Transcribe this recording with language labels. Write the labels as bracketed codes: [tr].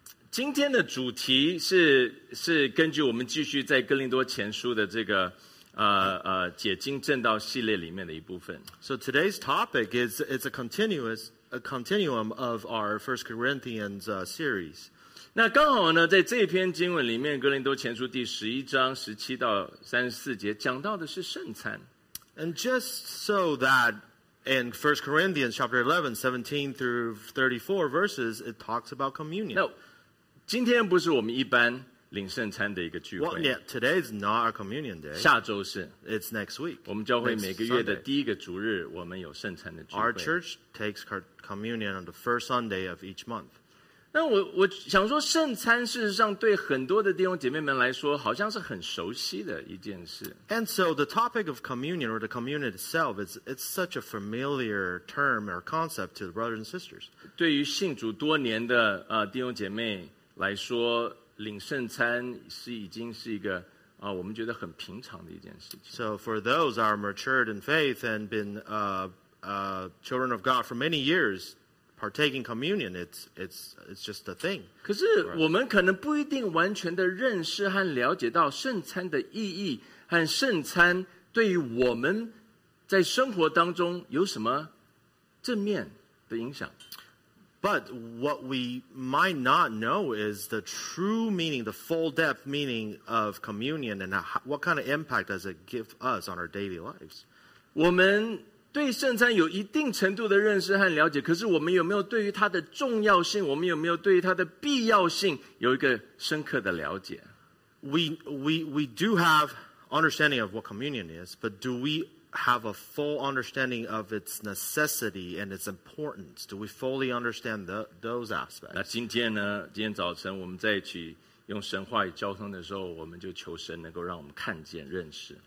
[zh] 今天的主题是根据我们继续在哥林多前书的这个。解经正道系列里面的一部分。 [en] So today's topic is it's a continuum of our First Corinthians series. [zh] 那刚好呢，在这篇经文里面，《哥林多前书》第十一章十七到三十四节讲到的是圣餐。 [en] And just so that in First Corinthians chapter 11:17-34 verses, it talks about communion. [zh] 那今天不是我们一般。领圣餐的一个聚会。 [en] Well, yeah, today is not our communion day. [zh] 下周是。 [en] It's next week. [zh] 我们教会每个月的第一个主日，我们有圣餐的聚会。 [en] Our church takes communion on the first Sunday of each month. [zh] 那我想说，圣餐事实上对很多的弟兄姐妹们来说，好像是很熟悉的一件事。 [en] And so the topic of communion or the communion itself is it's such a familiar term or concept to the brothers and sisters. [zh] 对于信主多年的弟兄姐妹来说。领圣餐是已经是一个我们觉得很平常的一件事情。 [en] So for those who are matured in faith and been children of God for many years, partaking communion, it's just a thing. [zh] 可是我们可能不一定完全的认识和了解到圣餐的意义和圣餐对于我们在生活当中有什么正面的影响。 [en] But what we might not know is the true meaning, the full depth meaning of communion and what kind of impact does it give us on our daily lives. [zh] 我们对圣餐有一定程度的认识和了解，可是我们有没有对于它的重要性，我们有没有对于它的必要性有一个深刻的了解？ [en] We do have understanding of what communion is, but do we... have a full understanding of its necessity and its importance. Do we fully understand those aspects? [zh] 那今天呢？今天早晨我们在一起用神话语交通的时候，我们就求神能够让我们看见、认识。